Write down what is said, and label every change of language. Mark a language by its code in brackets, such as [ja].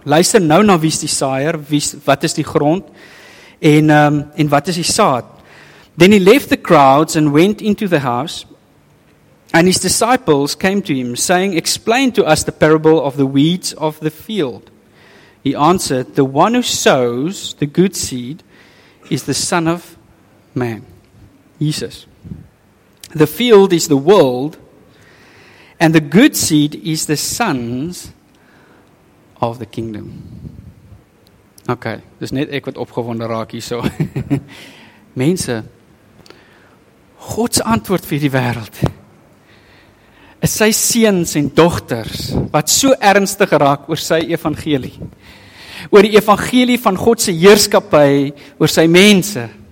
[af] Luister nou na wie is die saaier, wat is die grond, en wat is die saad. [en] Then he left the crowds and went into the house, and his disciples came to him, saying, explain to us the parable of the weeds of the field. He answered, the one who sows the good seed is the Son of Man, Jesus. The field is the world, and the good seed is the sons of the kingdom. [af] Okay, dis net ek wat opgewonde raak hier so. Mense, Gods antwoord vir die wêreld is sy seuns en dogters wat so ernstig raak oor sy evangelie. Oor die evangelie van God se heerskappy oor sy mense.